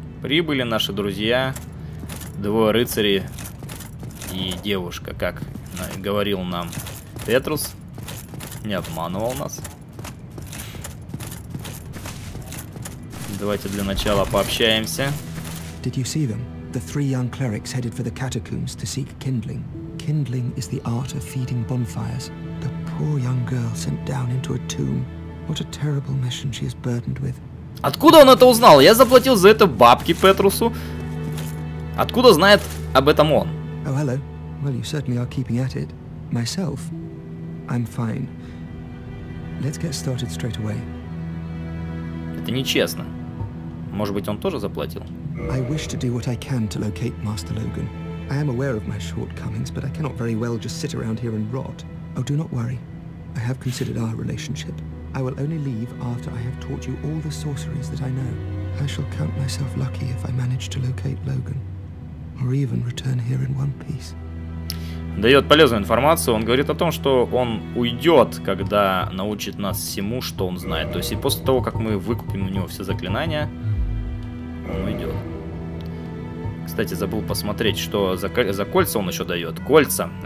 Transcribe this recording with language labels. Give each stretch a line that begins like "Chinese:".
Russian: Прибыли наши друзья, двое рыцарей и девушка, как говорил нам Петрус. Не обманывал нас. Давайте для начала пообщаемся.
English: Did you see them? The three young clerics headed for the catacombs to seek kindling. Kindling is the art of feeding bonfires. The poor young girl sent down into a tomb. What a terrible mission she is burdened with.
Russian: Откуда он это узнал? Я заплатил за это бабки Петрусу. Откуда знает об этом он?
English: Oh, hello. Well, you certainly are keeping at it. Myself, I'm fine. Let's get started straight away.
Russian: Это нечестно. Может быть, он тоже заплатил?
English: I wish to do what I can to locate Master Logan. I am aware of my shortcomings, but I cannot very well just sit around here and rot. Oh, do not worry. I have considered our relationship. I will only leave after I have taught you all the sorceries that I know. I shall count myself lucky if I manage to locate Logan, or even return here in one piece.
Russian: Дает полезную информацию. Он говорит о том, что он уйдет, когда научит нас всему, что он знает. То есть и после того, как мы выкупим у него все заклинания, он уйдет. Кстати, забыл посмотреть, что за кольца он еще дает. Кольца.